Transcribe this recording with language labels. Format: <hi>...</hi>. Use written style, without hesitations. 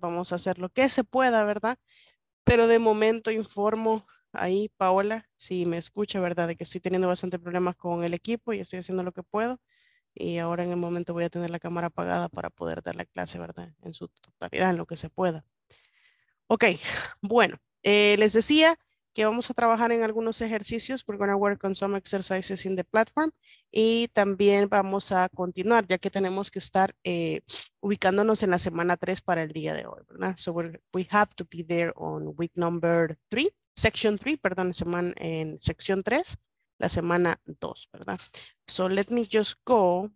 <es>Vamos a hacer lo que se pueda, ¿verdad? Pero de momento informo ahí, Paola, si me escucha, ¿verdad? De que estoy teniendo bastante problemas con el equipo y estoy haciendo lo que puedo. Y ahora en el momento voy a tener la cámara apagada para poder dar la clase, ¿verdad? En su totalidad, en lo que se pueda. Ok, bueno, les decía que vamos a trabajar en algunos ejercicios.</es> <en>We're going to work on some exercises in the platform.</en> <es>Y también vamos a continuar, ya que tenemos que estar ubicándonos en la semana 3 para el día de hoy, ¿verdad?</es> <en>So we have to be there on week number 3, section 3,</en> <es>perdón, semana, en sección 3, la semana 2, ¿verdad?</es> <en>So let me just go.</en>